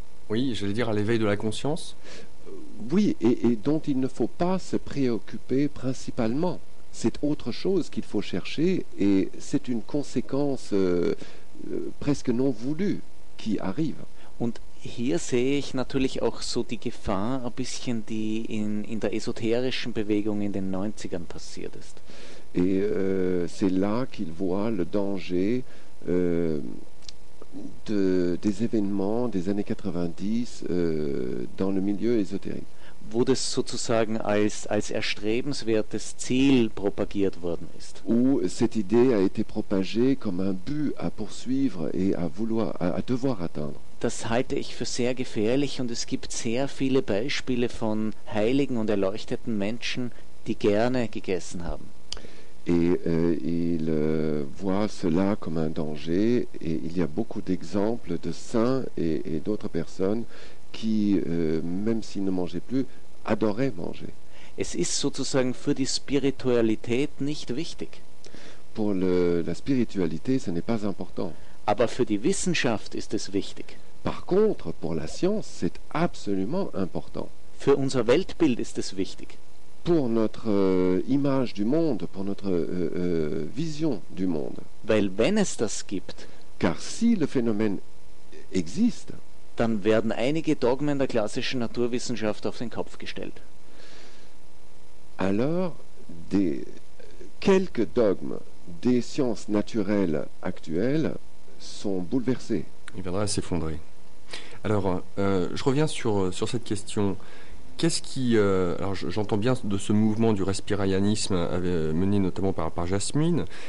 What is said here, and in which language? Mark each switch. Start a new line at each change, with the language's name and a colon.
French: Oui, j'allais dire à l'éveil de la conscience. Oui, et dont il ne faut pas se préoccuper principalement. C'est autre chose qu'il faut chercher et c'est une conséquence presque non voulu qui arrive.
German: Und hier sehe ich natürlich auch so die Gefahr ein bisschen, die in der esoterischen Bewegung in den 90ern passiert ist.
French: Et c'est là qu'il voit le danger des événements des années 90 dans le milieu ésotérique.
German: Wo das sozusagen als erstrebenswertes Ziel propagiert worden ist.
French: Où cette idée a été propagée comme un but à poursuivre et à devoir atteindre.
German: Das halte ich für sehr gefährlich und es gibt sehr viele Beispiele von heiligen und erleuchteten Menschen, die gerne gegessen haben.
French: Et il voit cela comme un danger et il y a beaucoup d'exemples de saints et d'autres personnes qui, même s'ils ne mangeaient plus, adoraient manger.
German: Es ist sozusagen für die Spiritualität nicht wichtig.
French: Pour la spiritualité, ce n'est pas important.
German: Aber für die Wissenschaft ist es wichtig.
French: Par contre, pour la science, c'est absolument important.
German: Für unser Weltbild ist es wichtig.
French: Pour notre image du monde, pour notre vision du monde.
German: Weil wenn es das gibt,
French: car si le phénomène existe,
German: dann werden einige Dogmen der klassischen Naturwissenschaft auf den Kopf gestellt.
French: Alors, quelques dogmes des sciences naturelles actuelles sont bouleversés. Il viendra à s'effondrer. Alors, je reviens sur cette question. Qu'est-ce qui... alors j'entends bien de ce mouvement du respirayanisme mené notamment par Jasmine.